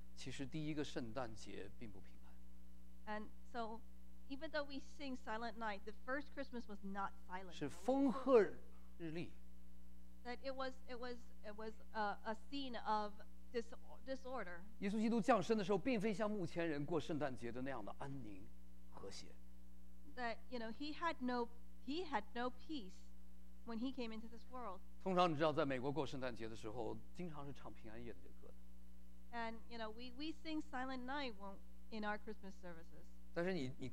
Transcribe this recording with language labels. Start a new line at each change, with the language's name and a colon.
Chinese: 或许我们读到这里的时候发现，其实第一个圣诞节并不平安。
English: And so even though we sing Silent Night, the first Christmas was not silent.
Chinese: 是风和日丽。
English: That it was a scene of disorder.
Chinese: 耶稣基督降生的时候，并非像目前人过圣诞节的那样的安宁和谐。
English: That you know he had no peace when he came into this world.
Chinese: 通常你知道，在美国过圣诞节的时候，经常是唱平安夜的歌的。
English: And you know we sing Silent Night in our Christmas services.